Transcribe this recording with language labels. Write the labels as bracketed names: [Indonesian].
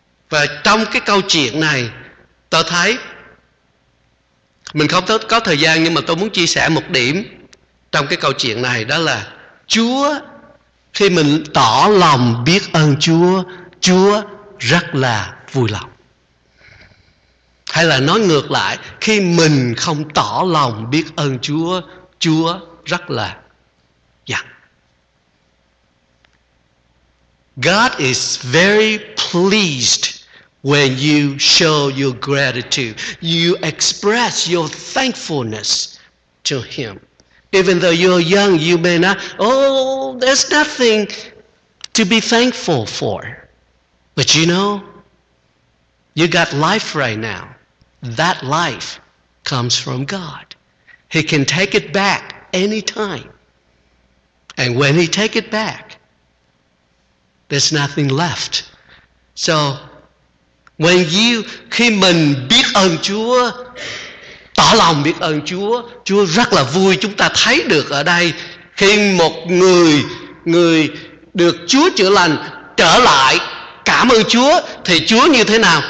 [Vietnamese] Và trong cái câu chuyện này, tôi thấy mình không có thời gian, nhưng mà tôi muốn chia sẻ một điểm trong cái câu chuyện này, đó là Chúa, khi mình tỏ lòng biết ơn Chúa, Chúa rất là vui lòng. Hay là nói ngược lại, khi mình không tỏ lòng biết ơn Chúa, Chúa rất là giận. [English] God is very pleased when you show your gratitude. You express your thankfulness to Him. Even though you're young, you may not, there's nothing to be thankful for. But you know, you got life right now. That life comes from God. He can take it back anytime. And when He take it back, there's nothing left. [Vietnamese] So, khi mình biết ơn Chúa, tỏ lòng biết ơn Chúa, Chúa rất là vui. Chúng ta thấy được ở đây, khi một người được Chúa chữa lành trở lại cảm ơn Chúa, thì Chúa như thế nào?